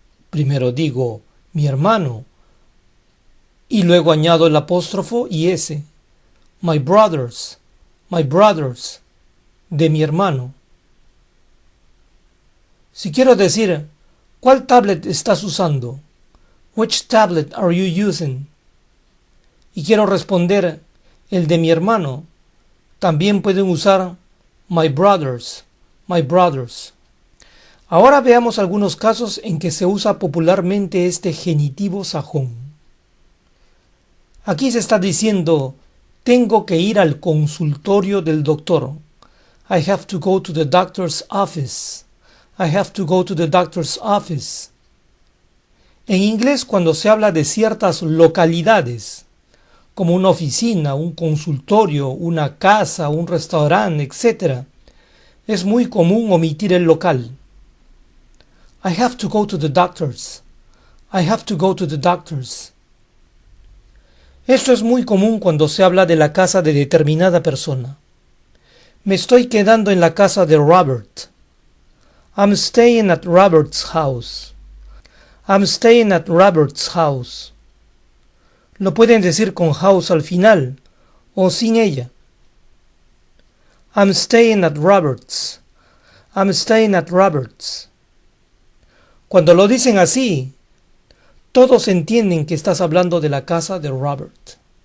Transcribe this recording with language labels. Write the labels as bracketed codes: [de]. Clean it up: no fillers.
[es] Primero digo mi hermano y luego añado el apóstrofo y S. [en] My brothers, [es] de mi hermano. Si quiero decir, ¿cuál tablet estás usando? [en] Which tablet are you using? [es] Y quiero responder, el de mi hermano. También pueden usar [en] my brothers, my brothers. [es] Ahora veamos algunos casos en que se usa popularmente este genitivo sajón. Aquí se está diciendo, tengo que ir al consultorio del doctor. [en] I have to go to the doctor's office. I have to go to the doctor's office. [es] En inglés, cuando se habla de ciertas localidades, como una oficina, un consultorio, una casa, un restaurante, etc., es muy común omitir el local. [en] I have to go to the doctor's. I have to go to the doctor's. [es] Esto es muy común cuando se habla de la casa de determinada persona. Me estoy quedando en la casa de Robert. [en] I'm staying at Robert's house. I'm staying at Robert's house. [es] Lo pueden decir con house al final o sin ella. [en] I'm staying at Robert's. I'm staying at Robert's. [es] Cuando lo dicen así, todos entienden que estás hablando de la casa de Robert.